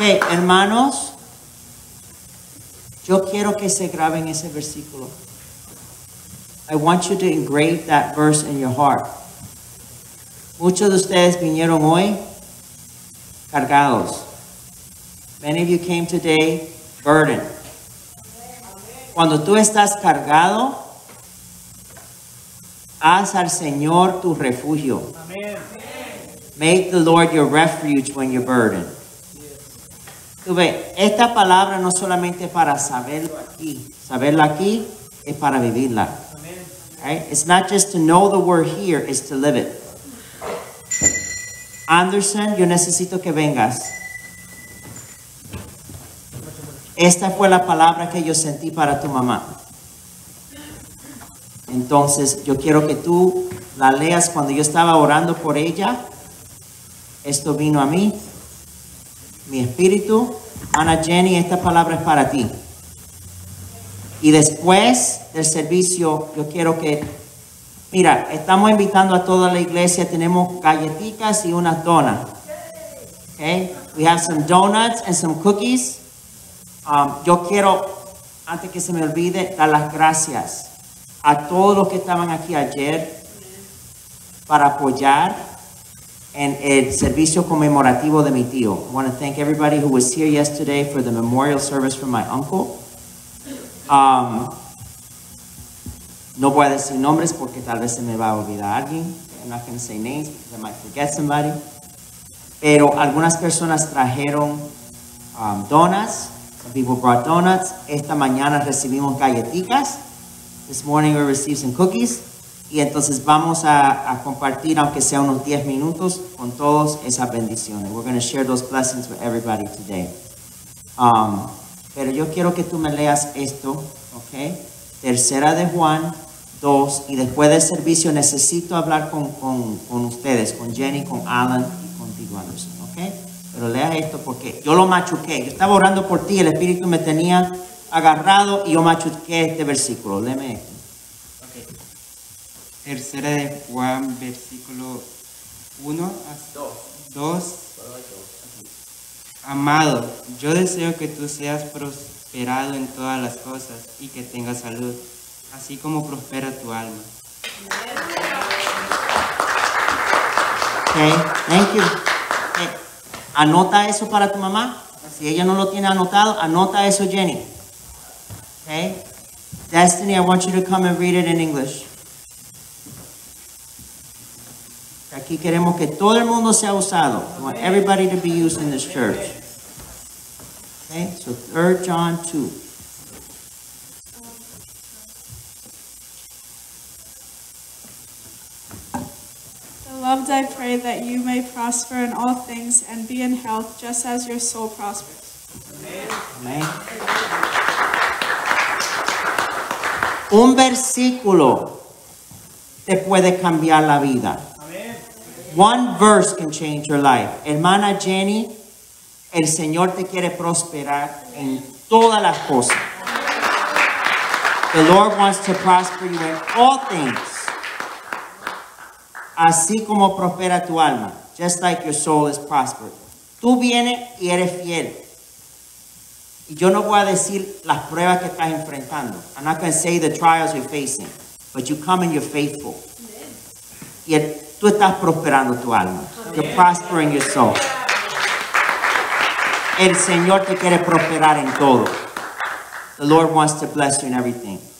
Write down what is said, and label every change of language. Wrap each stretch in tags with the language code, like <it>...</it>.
<es>Hermanos, yo quiero que se graben ese versículo.</es> <en>I want you to engrave that verse in your heart.</en> <es>Muchos de ustedes vinieron hoy cargados.</es> <en>Many of you came today burdened.</en> <es>Cuando tú estás cargado, haz al Señor tu refugio.</es> <en>Make the Lord your refuge when you're burdened.</en> <es>Tú ves, esta palabra no solamente para saberla aquí es para vivirla.</es> <en>Amen. Right? It's not just to know the word here, it's to live it.</en> <es>Anderson, yo necesito que vengas. Esta fue la palabra que yo sentí para tu mamá. Entonces, yo quiero que tú la leas. Cuando yo estaba orando por ella, esto vino a mí, mi espíritu. Ana Jenny, esta palabra es para ti. Y después del servicio, yo quiero que... Mira, estamos invitando a toda la iglesia. Tenemos galletitas y unas donas. Okay?</es> <en>We have some donuts and some cookies.</en> <es>Yo quiero, antes que se me olvide, dar las gracias a todos los que estaban aquí ayer para apoyar en el servicio conmemorativo de mi tío.</es> <en>I want to thank everybody who was here yesterday for the memorial service for my uncle.</en> <es>No voy a decir nombres porque tal vez se me va a olvidar alguien.</es> <en>I'm not going to say names because I might forget somebody.</en> <es>Pero algunas personas trajeron donuts.</es> <en>Some people brought donuts.</en> <es>Esta mañana recibimos galletitas.</es> <en>This morning we received some cookies.</en> <es>Y entonces vamos a compartir, aunque sea unos 10 minutos, con todos esas bendiciones.</es> <en>We're going to share those blessings with everybody today.</en> <es>Pero yo quiero que tú me leas esto, ¿ok? Tercera de Juan 2. Y después del servicio necesito hablar con ustedes, con Jenny, con Alan y contigo, Anderson, ¿ok? Pero lea esto porque yo lo machuqué. Yo estaba orando por ti, el Espíritu me tenía agarrado y yo machuqué este versículo. Léeme esto. Tercera de Juan, versículo 1 a 2. Amado, yo deseo que tú seas prosperado en todas las cosas y que tengas salud, así como prospera tu alma.</es> <en>Okay, thank you.</en> <es>Okay. Anota eso para tu mamá. Si ella no lo tiene anotado, anota eso, Jenny. Okay.</es> <en>Destiny, I want you to come and read it in English.</en> <es>Aquí queremos que todo el mundo sea usado.</es> <en>We want everybody to be used in this church. Okay, so 3 John 2. Beloved, I pray that you may prosper in all things and be in health just as your soul prospers. Amen. Amen.</en> <es>Un versículo te puede cambiar la vida.</es> <en>One verse can change your life.</en> <es>Hermana Jenny, el Señor te quiere prosperar en todas las cosas.</es> <en>The Lord wants to prosper you in all things.</en> <es>Así como prospera tu alma.</es> <en>just like your soul is prospered.</en> <es>Tú vienes y eres fiel. Y yo no voy a decir las pruebas que estás enfrentando.</es> <en>I'm not going to say the trials you're facing. But you come and you're faithful.</en> <es>Y tú estás prosperando tu alma.</es> <en>Amen. You're prospering your soul.</en> <es>El Señor te quiere prosperar en todo.</es> <en>The Lord wants to bless you in everything.</en>